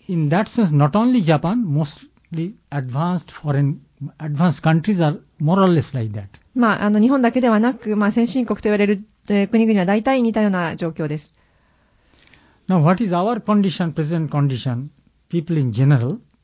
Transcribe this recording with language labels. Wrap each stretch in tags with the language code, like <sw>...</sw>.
<en>But、in that sense, not only Japan, most advanced countries are more or less like that.</en> <ja>まあ、日本だけではなく、まあ、先進国と言われる、国々は大体似たような状況です。</ja> <en>Now, what is our condition, present condition, people in general?</en>